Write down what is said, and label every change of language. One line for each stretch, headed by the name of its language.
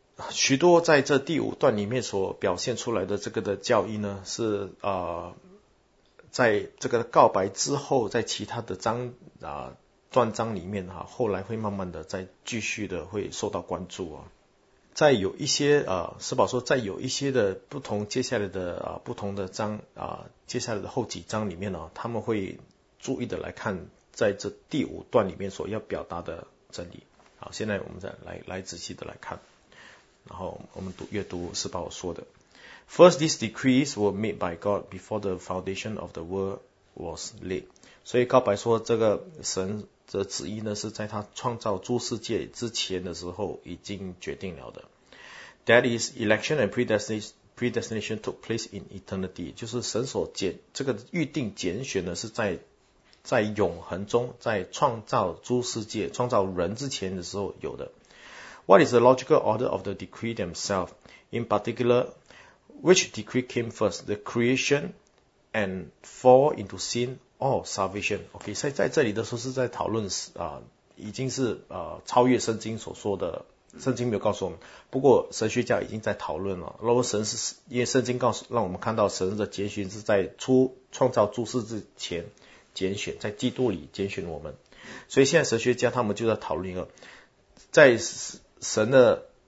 Chinese: 许多在这第五段里面所表现出来的这个的教义呢，是在这个告白之后，在其他的章断章里面后来会慢慢的再继续的会受到关注在有一些施宝说，在有一些的不同接下来的不同的章接下来的后几章里面他们会注意的来看，在这第五段里面所要表达的真理。好，现在我们再来仔细的来看，然后我们阅读施宝说的。
English: First, these decrees were made by God before the foundation of the world was laid.
Chinese: 所以告白说，这个神的旨意呢，是在他创造诸世界之前的时候已经决定了的。
English: That is, election and predestination took place in eternity.
Chinese: 就是神所这个预定拣选呢，是在永恒中，在创造诸世界、创造人之前的时候有的。
English: What is the logical order of the decree themselves? In particular,Which decree came first, the creation and fall into sin or salvation?
Chinese: OK, 在这里的时候是在讨论已经是超越圣经所说的，圣经没有告诉我们，不过神学家已经在讨论了。如果神是因为圣经让我们看到神的拣选是在创造诸事之前拣选，在基督里拣选我们，所以现在神学家他们就在讨论一个在神的